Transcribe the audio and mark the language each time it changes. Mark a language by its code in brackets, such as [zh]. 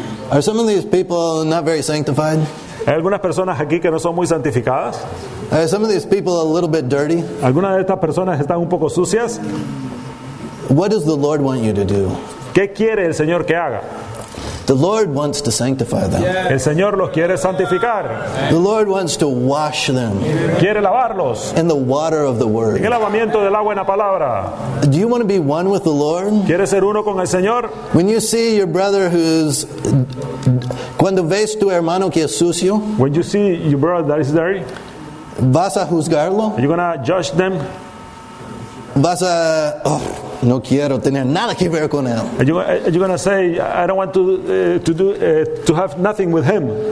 [en] Are some of these people not very sanctified? [es] ¿Hay algunas personas aquí que no son muy santificadas? [en] Are some of these people a little bit dirty? [es] ¿Algunas de estas personas están un poco sucias? [en] What does the Lord want you to do? [es] ¿Qué quiere el Señor que haga? [en] The Lord wants to sanctify them. [es] El Señor los quiere santificar. [en] The Lord wants to wash them. [es] Quiere lavarlos. [en] In the water of the word. [es] En el lavamiento de la buena palabra. [en] Do you want to be one with the Lord? [es] ¿Quiere ser uno con el Señor? [en] When you see your brother who's [es] cuando ves tu hermano que es sucio. [en] When you see your brother that is dirty. [es] ¿Vas a juzgarlo? [en] Are you going to judge them? [es] ¿Vas a no quiero tener nada que ver con él? [en] Are you going to say I don't want to have nothing with him?